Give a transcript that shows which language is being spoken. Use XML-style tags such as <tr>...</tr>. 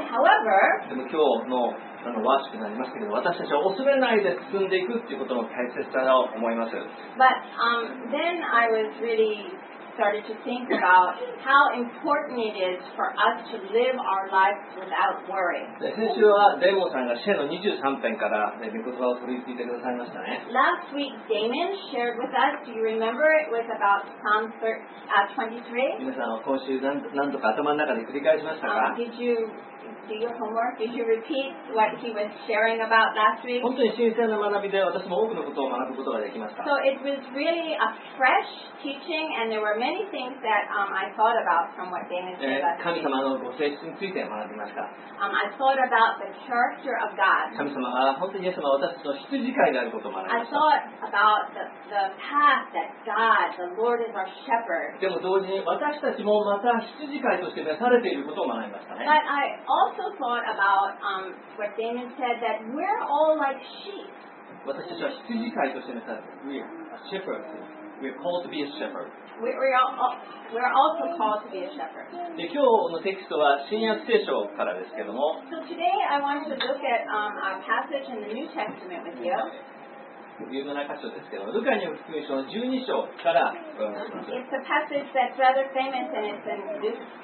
<en>However, But then I was really started to think about how important it is for us to live our life without worry.</en> <ja>先週はデーモンさんが詩篇の23編から御言葉を取り付いてくださいましたね。</ja> <en>Last week, Damon shared with us, do you remember it was about Psalm 23?</en> <ja>皆さんは今週何度か頭の中で繰り返しましたか？</ja> <en>Do your homework? Did you repeat what he was sharing about last week?</en> <ja>本当に新鮮な学びで私も多くのことを学ぶことができました。</ja> <en>So it was really a fresh teaching and there were many things that I thought about from what Damon said.</en> <ja>神様のご性質について学びました。</ja> <en>I thought about the character of God.</en> <ja>神様が本当にイエス様は私たちの羊飼いであることを学びました。</ja> <en>I thought about the path that God, the Lord is our shepherd.</en> <ja>でも同時に私たちもまた羊飼いとして召されていることを学びましたね。</ja> <en>But I also thought about what Damon said that we're all like sheep.</en> <ja>私たちは羊飼いとして召されている。</ja> <en>We're a shepherd. We're called to be a shepherd. We're also called to be a shepherd.</en> <ja>で、今日のテキストは新約聖書からですけども。</ja> <en>So today I want to look at our passage in the New Testament with you.</en> <ja>有名な箇所ですけども、ルカによる福音書の12章からご覧ください。</ja> <en>It's a passage that's rather famous and it's in Luke 12.</en>